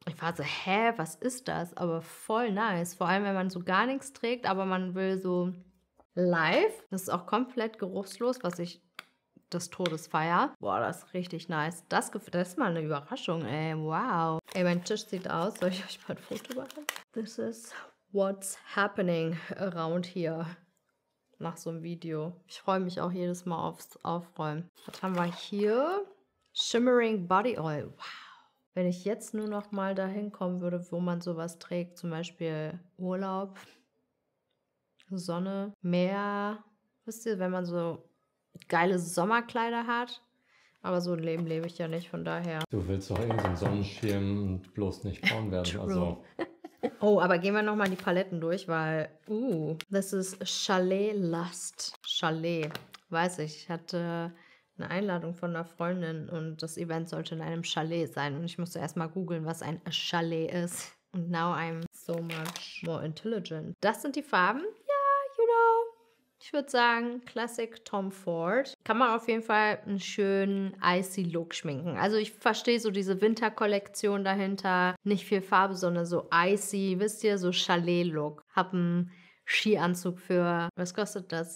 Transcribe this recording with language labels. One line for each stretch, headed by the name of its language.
German: Ich war so, hä, was ist das? Aber voll nice. Vor allem, wenn man so gar nichts trägt, aber man will so live. Das ist auch komplett geruchslos, was ich des Todes feier. Boah, das ist richtig nice. Das ist mal eine Überraschung, ey. Wow. Ey, mein Tisch sieht aus. Soll ich euch mal ein Foto machen?
English: This is what's happening around here.
German: Nach so einem Video. Ich freue mich auch jedes Mal aufs Aufräumen. Was haben wir hier? Shimmering Body Oil. Wow. Wenn ich jetzt nur noch mal dahin kommen würde, wo man sowas trägt, zum Beispiel Urlaub, Sonne, Meer. Wisst ihr, wenn man so geile Sommerkleider hat? Aber so ein Leben lebe ich ja nicht, von daher. Du willst doch irgendwie so einen Sonnenschirm und bloß nicht braun werden. Also. Oh, aber gehen wir nochmal die Paletten durch, weil, das ist Chalet Lust. Chalet, weiß ich, ich hatte eine Einladung von einer Freundin und das Event sollte in einem Chalet sein. Und ich musste erstmal googeln, was ein Chalet ist. Und
English: now I'm so much more intelligent.
German: Das sind die Farben. Ja,
English: you know,
German: ich würde sagen, Classic Tom Ford. Kann man auf jeden Fall einen schönen icy Look schminken. Also ich verstehe so diese Winterkollektion dahinter. Nicht viel Farbe, sondern so icy, wisst ihr, so Chalet-Look. Hab einen Skianzug für, was kostet das?